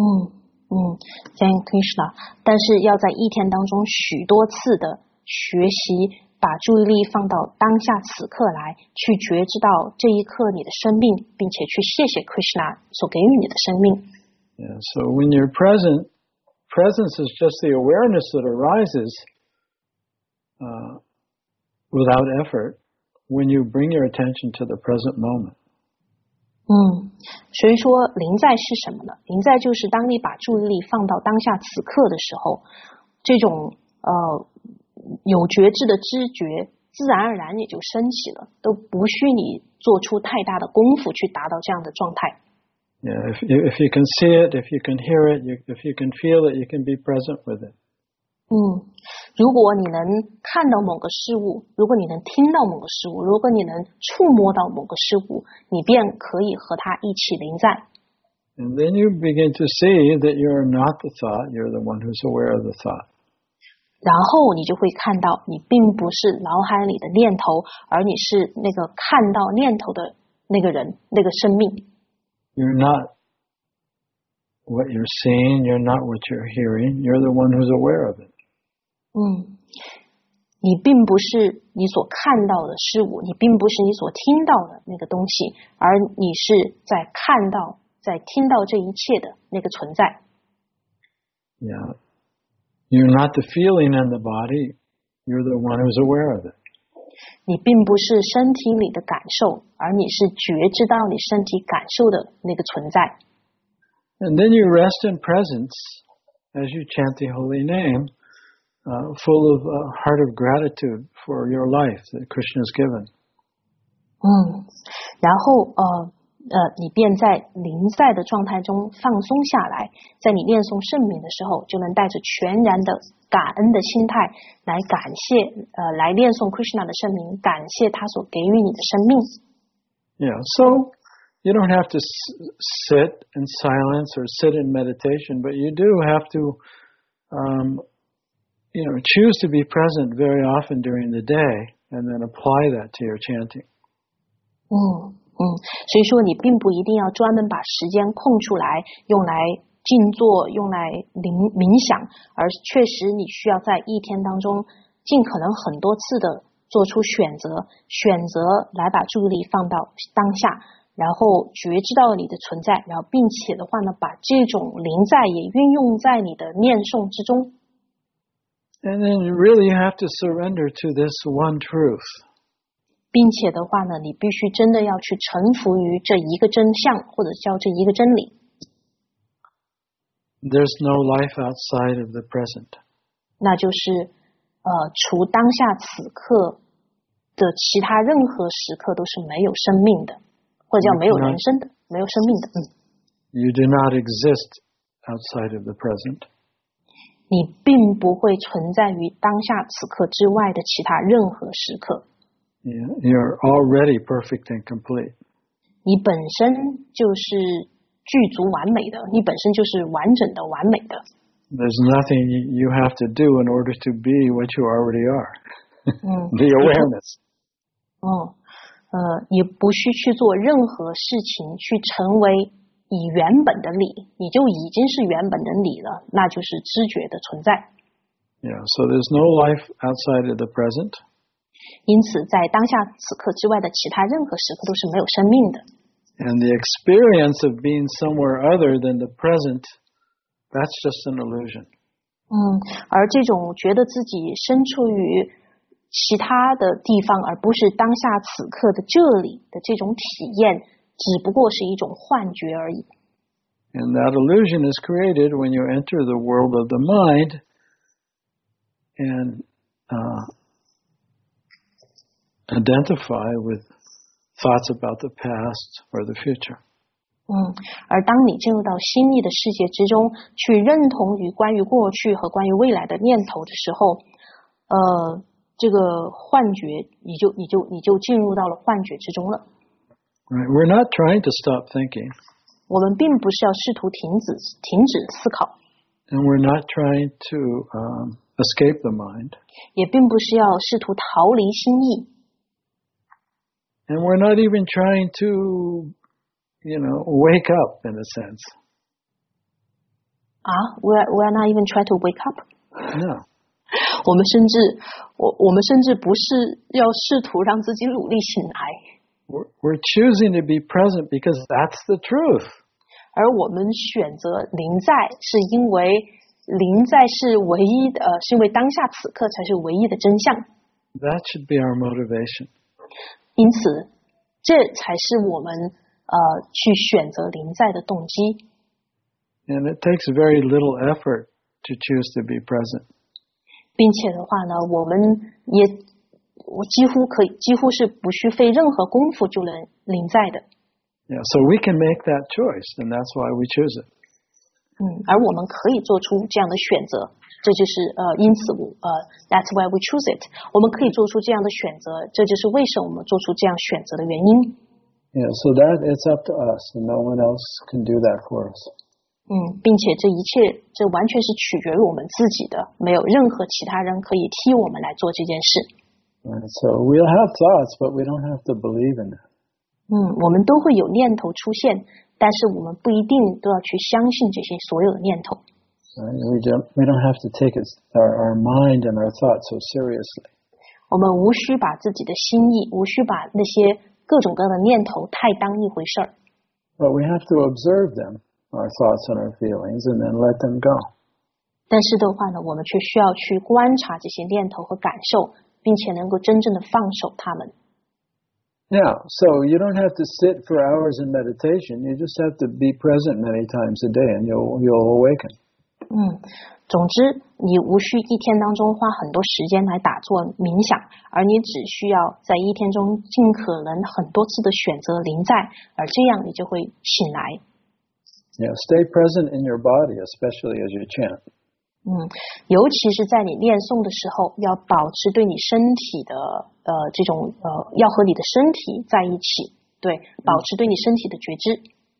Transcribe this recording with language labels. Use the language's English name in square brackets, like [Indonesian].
[English] thank Krishna. [Chinese] 但是要在一天当中许多次的学习，把注意力放到当下此刻来，去觉知到这一刻你的生命，并且去谢谢 Krishna 所给予你的生命。 [English] Yeah, so when you're present, presence is just the awareness that arises. Without effort, when you bring your attention to the present moment. [Chinese] 所以说临在是什么呢？临在就是当你把注意力放到当下此刻的时候，这种有觉知的知觉自然而然也就升起了，都不需你做出太大的功夫去达到这样的状态。 [English] Yeah, if you can see it, if you can hear it, if you can feel it, you can be present with it. [Chinese] 如果你能看到某个事物，如果你能听到某个事物，如果你能触摸到某个事物，你便可以和它一起临在。 [English] And then you begin to see that you're not the thought, you're the one who's aware of the thought. [Chinese] 然后你就会看到你并不是脑海里的念头，而你是那个看到念头的那个人，那个生命。 [English] You're not. What you're seeing, you're not what you're hearing, you're the one who's aware of it. [Chinese] 你并不是你所看到的事物，你并不是你所听到的那个东西，而你是在看到，在听到这一切的那个存在。 [English] Yeah. You're not the feeling in the body, you're the one who's aware of it. [Chinese] 你并不是身体里的感受，而你是觉知到你身体感受的那个存在。 [English] And then you rest in presence as you chant the holy name, full of a heart of gratitude for your life that Krishna has given. [Chinese] 然后你便在临在的状态中放松下来，在你念诵圣名的时候，就能带着全然的感恩的心态来感谢来念诵 Krishna 的圣名，感谢他所给予你的生命。 [English] Yeah, so you don't have to sit in silence or sit in meditation, but you do have to, choose to be present very often during the day, and then apply that to your chanting. [Chinese] 所以说你并不一定要专门把时间空出来用来静坐用来冥想，而确实你需要在一天当中尽可能很多次的做出选择，选择来把注意力放到当下，然后觉知到你的存在，然后并且的话呢，把这种临在也运用在你的念诵之中。 [English] And then you really have to surrender to this one truth. [Chinese] 并且的话呢，你必须真的要去臣服于这一个真相，或者叫这一个真理。 [English] There's no life outside of the present. [Chinese] 那就是，除当下此刻的其他任何时刻都是没有生命的，或者叫没有人生的， [English] not, [Chinese] 没有生命的。 [English] You do not exist outside of the present. [Chinese] 你并不会存在于当下此刻之外的其他任何时刻。 [English] You're already perfect and complete. [Chinese] 你本身就是具足完美的，你本身就是完整的、完美的。 [English] There's nothing you have to do in order to be what you already are. The awareness. [Chinese] 你不需去做任何事情去成为你原本的你，你就已经是原本的你了，那就是知觉的存在。 [English] Yeah, so there's no life outside of the present. [Chinese] 因此在当下此刻之外的其他任何时刻都是没有生命的。 [English] And the experience of being somewhere other than the present, that's just an illusion. [Chinese] 而这种觉得自己身处于其他的地方而不是当下此刻的这里的这种体验只不过是一种幻觉而已。 [English] And that illusion is created when you enter the world of the mind and identify with thoughts about the past or the future. [Chinese] 而当你进入到心意的世界之中，去认同于关于过去和关于未来的念头的时候，这个幻觉，你就进入到了幻觉之中了。 [English] Right, we're not trying to stop thinking. [Chinese] 我们并不是要试图停止思考。 [English] And we're not trying to escape the mind. [Chinese] 也并不是要试图逃离心意。 [English] And we're not even trying to, wake up in a sense. We're not even trying to wake up. No. [Chinese] 我们甚至不是要试图让自己努力醒来。 [English] We're choosing to be present because that's the truth. [Chinese] 而我们选择临在是因为临在是唯一的，是因为当下此刻才是唯一的真相。 [English] That should be our motivation. [Chinese] 因此，这才是我们去选择临在的动机。 [English] And it takes very little effort to choose to be present. [Chinese] 并且的话呢，我们也我几乎可以几乎是不需费任何功夫就能临在的。 [English] Yeah, so we can make that choice, and that's why we choose it. [Chinese] 而我们可以做出这样的选择。这就是因此 [English] that's why we choose it. [Chinese] 我们可以做出这样的选择，这就是为什么我们做出这样选择的原因。 [English] Yeah, so that it's up to us, and no one else can do that for us. [Chinese] 并且这一切这完全是取决于我们自己的，没有任何其他人可以替我们来做这件事。 [English] Right, so we'll have thoughts, but we don't have to believe in it. [Chinese] 我们都会有念头出现，但是我们不一定都要去相信这些所有的念头。 [English] Right, we don't have to take our mind and our thoughts so seriously. [Chinese] 我们无需把自己的心意，无需把那些各种各样的念头太当一回事。 [English] But we have to observe them, our thoughts and our feelings, and then let them go. [Chinese] 但是的话呢，我们却需要去观察这些念头和感受，并且能够真正的放手他们。 [English] Yeah, so you don't have to sit for hours in meditation. You just have to be present many times a day, and you'll awaken. [Chinese] 总之你无需一天当中花很多时间来打坐冥想，而你只需要在一天中尽可能很多次的选择临在，而这样你就会醒来。 [English] Yeah, stay present in your body, especially as you chant. [Chinese] 尤其是在你念诵的时候要保持对你身体的这种要和你的身体在一起，对，保持对你身体的觉知。